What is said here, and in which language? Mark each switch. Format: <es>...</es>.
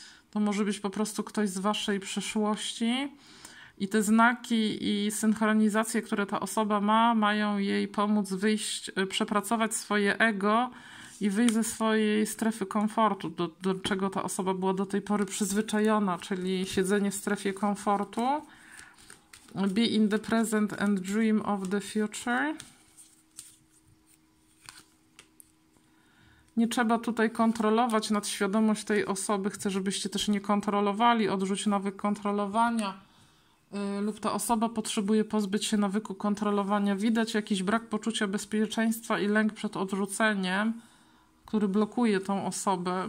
<pl>To może być po prostu ktoś z waszej przeszłości i te znaki i synchronizacje, które ta osoba ma, mają jej pomóc wyjść, przepracować swoje ego i wyjść ze swojej strefy komfortu, do czego ta osoba była do tej pory przyzwyczajona, czyli siedzenie w strefie komfortu.</pl> <en>Be in the present and dream of the future.</en> <pl>Nie trzeba tutaj kontrolować nad świadomość tej osoby. Chcę, żebyście też nie kontrolowali, odrzuć nawyk kontrolowania. lub ta osoba potrzebuje pozbyć się nawyku kontrolowania. Widać jakiś brak poczucia bezpieczeństwa i lęk przed odrzuceniem, który blokuje tą osobę.</pl>